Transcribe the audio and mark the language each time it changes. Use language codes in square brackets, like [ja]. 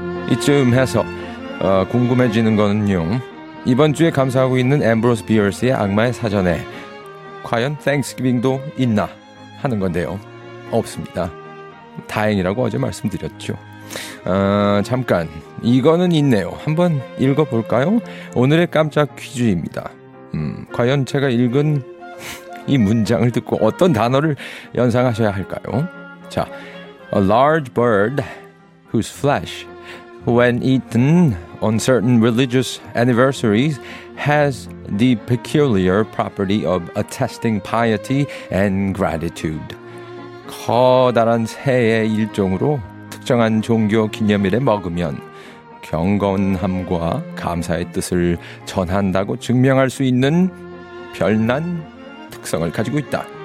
[ko] 이쯤 해서 궁금해지는 거는요, 이번 주에 감사하고 있는 앰브로스 비어스의 악마의 사전에 과연 땡스기빙도 있나 하는 건데요, 없습니다. 다행이라고 어제 말씀드렸죠. 잠깐 이거는 있네요. 한번 읽어볼까요? 오늘의 깜짝 퀴즈입니다. 과연 제가 읽은 이 문장을 듣고 어떤 단어를 연상하셔야 할까요? [en] 자, A large bird whose flesh when eaten on certain religious anniversaries has the peculiar property of attesting piety and gratitude. [ko] 커다란 새의 일종으로 특정한 종교 기념일에 먹으면 경건함과 감사의 뜻을 전한다고 증명할 수 있는 별난 특성을 가지고 있다.